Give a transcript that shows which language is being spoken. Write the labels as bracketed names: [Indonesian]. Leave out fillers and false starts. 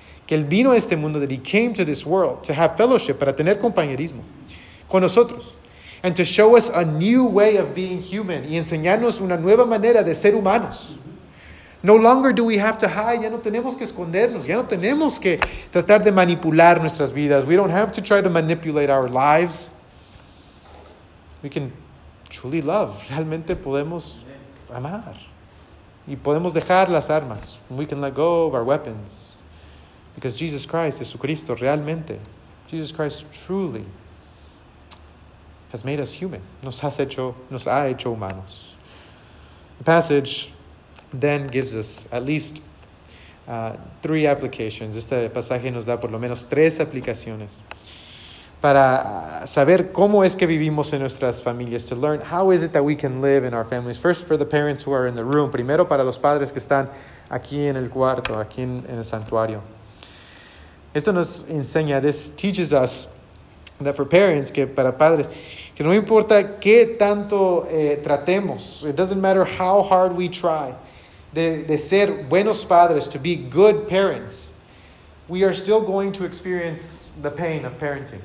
[Spanish] Que Él vino a este mundo, [English] that He came to this world to have fellowship, [Spanish] para tener compañerismo con nosotros. [English] And to show us a new way of being human. [Spanish] Y enseñarnos una nueva manera de ser humanos. [English] No longer do we have to hide. [Spanish] Ya no tenemos que escondernos. Ya no tenemos que tratar de manipular nuestras vidas. [English] We don't have to try to manipulate our lives. We can truly love. [Spanish] Realmente podemos amar. Y podemos dejar las armas. [English] We can let go of our weapons. Because Jesus Christ, [Spanish] Jesucristo, realmente, [English] Jesus Christ truly has made us human. [Spanish] Nos ha hecho humanos. [English] The passage then gives us at least three applications. [Spanish] Este pasaje nos da por lo menos tres aplicaciones para saber cómo es que vivimos en nuestras familias, [English] to learn how is it that we can live in our families. First, for the parents who are in the room. [Spanish] Primero, para los padres que están aquí en el cuarto, aquí en el santuario. Esto nos enseña, [English] this teaches us that for parents, [Spanish] que para padres, que no importa qué tanto tratemos, [English] it doesn't matter how hard we try, [Spanish] de ser buenos padres, [English] to be good parents, we are still going to experience the pain of parenting.